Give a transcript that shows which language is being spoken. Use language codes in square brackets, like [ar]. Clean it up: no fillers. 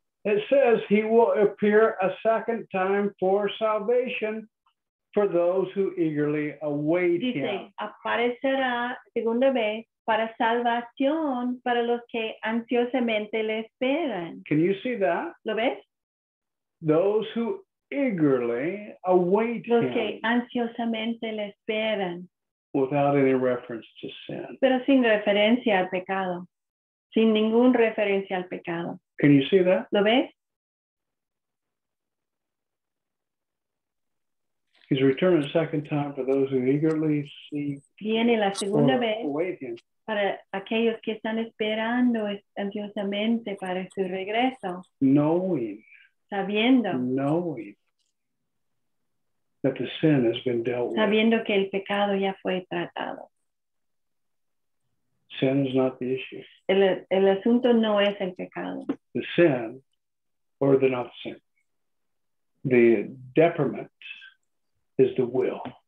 [en] It says he will appear a second time for salvation for those who eagerly await [es] Dice, [en] him. [es] Aparecerá segunda vez para salvación para los que ansiosamente le esperan. [en] Can you see that? [es] ¿Lo ves? [en] Those who eagerly await [es] los [en] him. [es] Que ansiosamente le esperan. [en] Without any reference to sin. [es] Pero sin referencia al pecado. Sin ningún referencia al pecado. [en] Can you see that? [es] ¿Lo ves? [en] He's returning a second time for those who eagerly seek. [es] Viene la segunda vez para aquellos que están esperando ansiosamente para su regreso. [en] Knowing. [es] Sabiendo. [en] Knowing that the sin has been dealt with. [es] Sabiendo que el pecado ya fue tratado. [en] Sin is not the issue. [es] El asunto no es el pecado. [en] The sin, or the not sin. The detriment is the will.